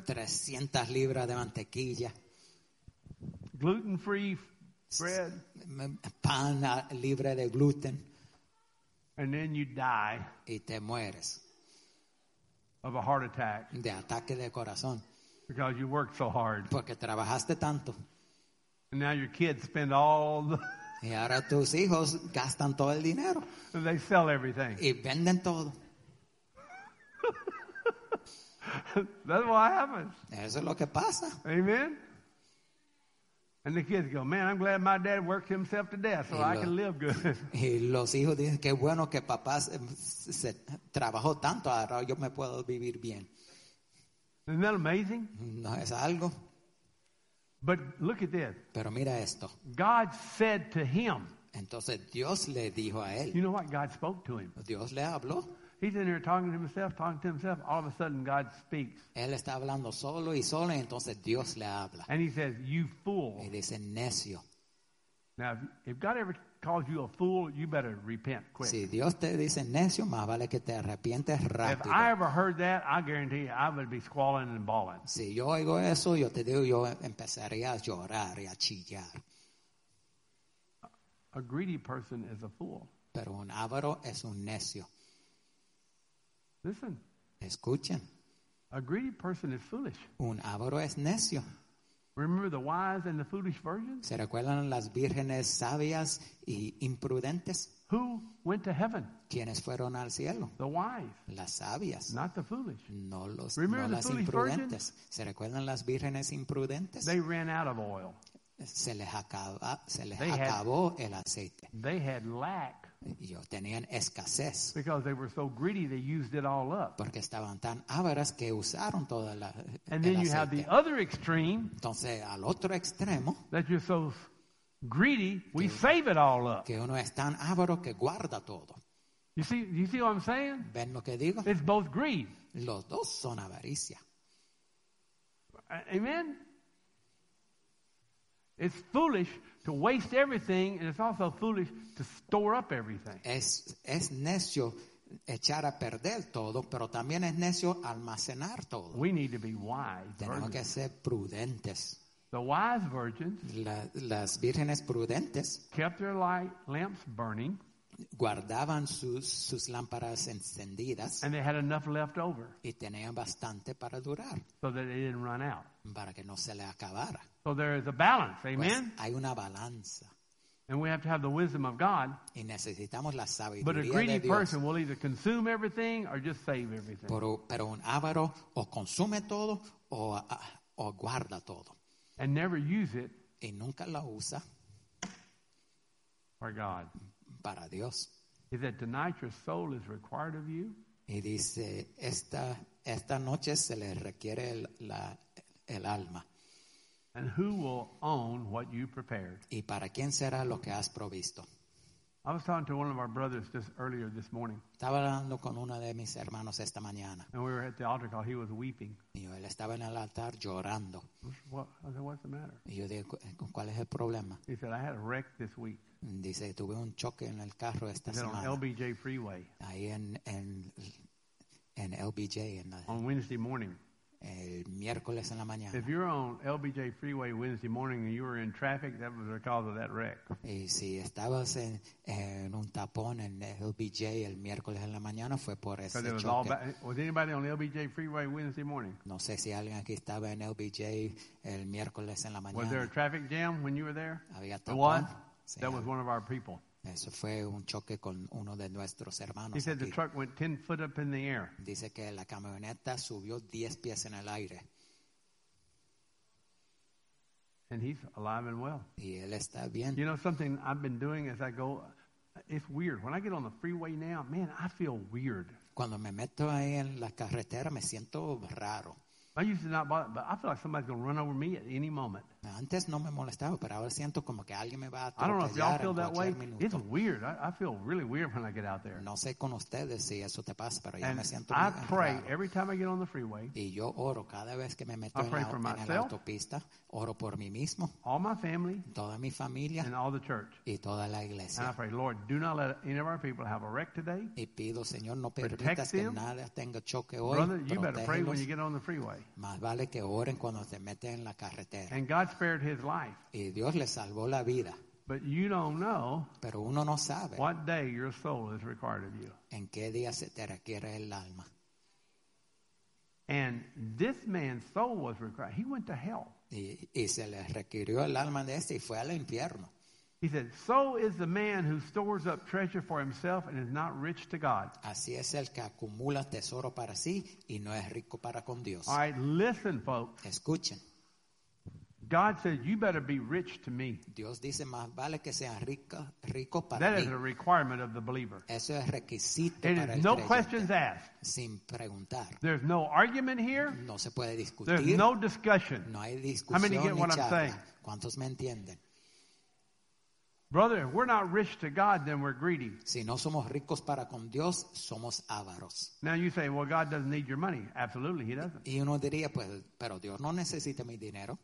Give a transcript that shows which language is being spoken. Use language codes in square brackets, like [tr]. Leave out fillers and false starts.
[es] 300 libras de mantequilla. [en] Gluten-free bread. [es] Pan libre de gluten. [en] And then you die. [es] Y te mueres. [en] Of a heart attack. [es] De ataque de corazón. [en] Because you worked so hard. [es] Porque trabajaste tanto. [en] And now your kids spend all the. [es] Y ahora tus hijos gastan todo el dinero. [en] And they sell everything. [es] Y venden todo. [en] That's what happens. [es] Eso es lo que pasa. [en] Amen. And the kids go, man, I'm glad my dad worked himself to death so I can live good. [es] Y los hijos dicen, qué bueno que papá se trabajó tanto, ahora yo me puedo vivir bien. [en] Isn't that amazing? [es] No es algo. [en] But look at this. [es] Pero mira esto. [en] God said to him. [es] Entonces Dios le dijo a él. [en] You know what? God spoke to him. [es] Dios le habló. [en] He's in here talking to himself. All of a sudden, God speaks. [es] Él está hablando solo y solo, entonces Dios le habla. [en] And he says, you fool. [es] Y dice, necio. [en] Now, if God ever calls you a fool, you better repent quick. [es] Si Dios te dice necio, más vale que te arrepientes rápido. [en] If I ever heard that, I guarantee you, I would be squalling and bawling. [es] Si yo oigo eso, yo te digo, yo empezaría a llorar y a chillar. [en] A greedy person is a fool. [es] Pero un avaro es un necio. [en] Listen. [es] Escuchen. [en] A greedy person is foolish. [es] Un avaro es necio. [en] Remember the wise and the foolish virgins? [es] ¿Se recuerdan las vírgenes sabias y imprudentes? [en] Who went to heaven? [es] ¿Quiénes fueron al cielo? [en] The wise. [es] Las sabias. [en] Not the foolish. [es] No los [en] Remember [es] no [en] the [es] las [en] foolish [es] imprudentes. [en] Virgins? [es] ¿Se recuerdan las vírgenes imprudentes? [en] They ran out of oil. [es] Se les acabó el aceite. [en] They had lack. [es] Yo tenían escasez. [en] Because they were so greedy, they used it all up. [es] Porque estaban tan avaras que usaron toda la. [en] And then you have the other extreme. [es] Entonces, al otro extremo. [en] That you're so greedy, we save it all up. [es] Que uno es tan avaro que guarda todo. [en] You see what I'm saying? [es] ¿Ven lo que digo? [en] It's both greed. [es] Los dos son avaricia. [en] Amen. It's foolish to waste everything, and it's also foolish to store up everything. [es] Es necio echar a perder todo, pero también es necio almacenar todo. [en] We need to be wise. [es] Tenemos que ser prudentes. [en] The wise virgins, [es] las vírgenes prudentes, [en] kept their light lamps burning. [es] Guardaban sus lámparas encendidas. [en] And they had enough left over. [es] Y tenían bastante para durar. [en] So that they didn't run out. [es] Para que no se le acabara. [en] So there is a balance, amen? [es] Pues hay una balanza. [en] And we have to have the wisdom of God. [es] Y necesitamos la sabiduría de Dios. [en] But a greedy person will either consume everything or just save everything. [es] Pero un avaro o consume todo o guarda todo. [en] And never use it. [es] Y nunca lo usa. [en] For God. [es] Para Dios. [en] He said, tonight your soul is required of you. [es] Y dice, esta noche se le requiere el alma. [en] And who will own what you prepared? [es] ¿Y para quién será lo que has provisto? [en] I was talking to one of our brothers just earlier this morning. [es] Estaba hablando con uno de mis hermanos esta mañana. [en] And we were at the altar call. He was weeping. [es] Y él estaba en el altar llorando. [en] I said, what's the matter? [es] Y yo dije, ¿cuál es el problema? [en] He said, I had a wreck this week. [es] Dice, tuve un choque en el carro esta semana. [en] On LBJ Freeway. [es] Ahí en LBJ. [en] On Wednesday morning. [es] El miércoles en la mañana. [en] If you're on LBJ Freeway Wednesday morning and you were in traffic, that was the cause of that wreck. [es] Y si estabas en un tapón en LBJ el miércoles en la mañana, fue por ese choque. [en] Was anybody on LBJ Freeway Wednesday morning? [es] No sé si alguien aquí estaba en LBJ el miércoles en la mañana. [en] Was there a traffic jam when you were there? [es] Había tapón. [en] What? [es] Sí, [en] that was one of our people. [es] Eso fue un choque con uno de nuestros hermanos. [en] He said [es] aquí. [en] The truck went 10 foot up in the air. [es] Dice que la camioneta subió 10 pies en el aire. [en] And he's alive and well. [es] Y él está bien. [en] You know something I've been doing as I go, it's weird. When I get on the freeway now, man, I feel weird. [es] Cuando me meto ahí en la carretera me siento raro. [en] I used to not bother, but I feel like somebody's going to run over me at any moment. [es] Antes no me molestaba, pero ahora siento como que alguien me va a tropezar. [en] I don't know if y'all feel that way. It's weird. I feel really weird when I get out there. [es] No sé con ustedes si eso te pasa, pero ya me siento muy raro. [en] I pray every time I get on the freeway. [es] Y yo oro cada vez que me meto en la autopista. Oro por mí mismo. [en] All my family. [es] Toda mi familia. [en] And all the church. [es] Y toda la iglesia. [en] And I pray, Lord, do not let any of our people have a wreck today. [es] Y pido, Señor, no permitas que nada tenga choque hoy. [en] Brother, you better pray when you get on the freeway. [es] Más vale que oren cuando se meten en la carretera. [en] And God spared his life. [es] Y Dios le salvó la vida. [en] But you don't know. [es] Pero uno no sabe. [en] What day your soul is required of you. [es] En qué día se te requiere el alma. [en] And this man's soul was required. He went to hell. [es] Y se le requirió el alma de este y fue al infierno. [en] He said, so is the man who stores up treasure for himself and is not rich to God. [es] Así es el que acumula tesoro para sí y no es rico para con Dios. [en] All right, listen, folks. [es] Escuchen. [en] God says, you better be rich to me. [es] Dios dice, más vale que sea rico, rico para [en] that [es] mí. [en] Is a requirement of the believer. [es] Eso es requisito [en] it [es] para [en] is [es] el [en] no [es] creyente. [en] Questions asked. [es] Sin preguntar. [en] There's no argument here. [es] No se puede discutir. [en] There's no discussion. [es] No hay discusión. [en] How many get [es] ni [en] what [es] charla? [en] I'm saying? [es] ¿Cuántos me entienden? [en] Brother, if we're not rich to God, then we're greedy. [es] Si no somos ricos para con Dios, somos avaros. [en] Now you say, well, God doesn't need your money. Absolutely, he doesn't. [es] Y uno diría, pues, pero Dios no necesita mi dinero.